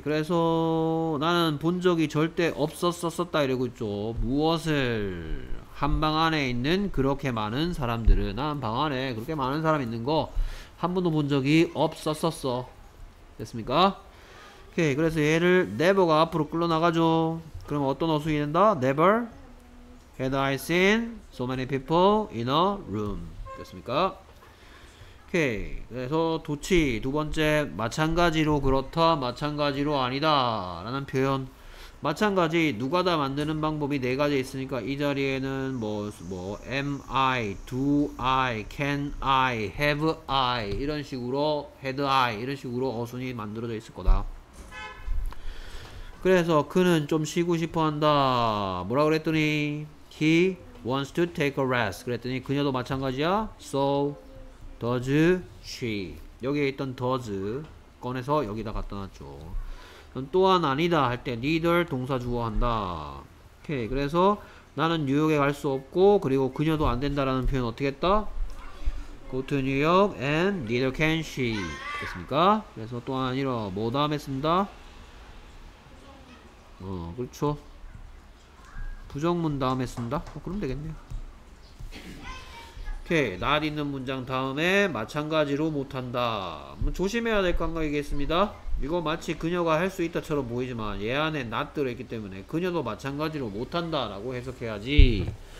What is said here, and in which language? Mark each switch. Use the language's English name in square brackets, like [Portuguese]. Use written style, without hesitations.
[Korean] 그래서 나는 본 적이 절대 없었었었다 이러고 있죠. 무엇을 한 방 안에 있는 그렇게 많은 사람들을 난 방 안에 그렇게 많은 사람 있는 거 한 번도 본 적이 없었었어. 됐습니까? 오케이. 그래서 얘를 never가 앞으로 끌러나가죠. 그럼 어떤 어순이 된다? [English] Never had I seen so many people in a room. [Korean] 됐습니까? 오케이. 그래서 도치 두 번째, 마찬가지로 그렇다, 마찬가지로 아니다 라는 표현. 마찬가지, 누가 다 만드는 방법이 네 가지 있으니까 이 자리에는 뭐 am I, do I, can I, have I 이런 식으로 had I 이런 식으로 어순이 만들어져 있을 거다. 그래서 그는 좀 쉬고 싶어 한다. 뭐라 그랬더니 [English] he wants to take a rest. [Korean] 그랬더니 그녀도 마찬가지야. [English] So does she. [Korean] 여기에 있던 does 꺼내서 여기다 갖다 놨죠. 그럼 또한 아니다 할 때 neither 동사 주어한다. 오케이. 그래서 나는 뉴욕에 갈 수 없고 그리고 그녀도 안 된다라는 표현 어떻게 했다? [English] Go to New York and neither can she. [Korean] 됐습니까? 그래서 또한 아니라 뭐 다음에 쓴다? 그렇죠. 부정문 다음에 쓴다? 그럼 되겠네요. 오케이. 낫 있는 문장 다음에 마찬가지로 못한다. 조심해야 될 건가 얘기했습니다. 이거 마치 그녀가 할 수 있다처럼 보이지만 얘 안에 not 들어있기 때문에 그녀도 마찬가지로 못한다 라고 해석해야지.